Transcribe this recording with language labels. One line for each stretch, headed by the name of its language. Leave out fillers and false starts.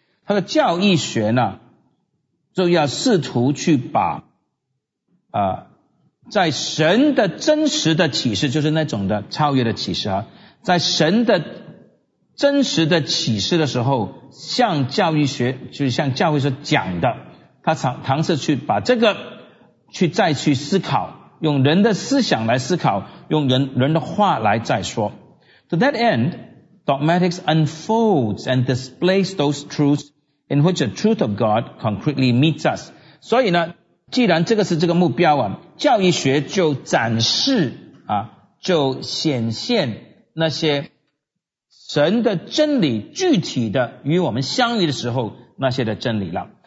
Chinese: 他的教义学呢就要试图去把在神的真实的启示，就是那种的超越的启示啊，在神的真实的启示的时候，向教育学，就是向教会所讲的，他尝试去把这个去再去思考，用人的思想来思考，用人的话来再说。
English: To that end, dogmatics unfolds and displays those truths in which the truth of God concretely meets us.
Chinese: 所以呢，既然这个是这个目标啊，教义学就展示啊，就显现那些神的真理具体的与我们相遇的时候那些的真理了。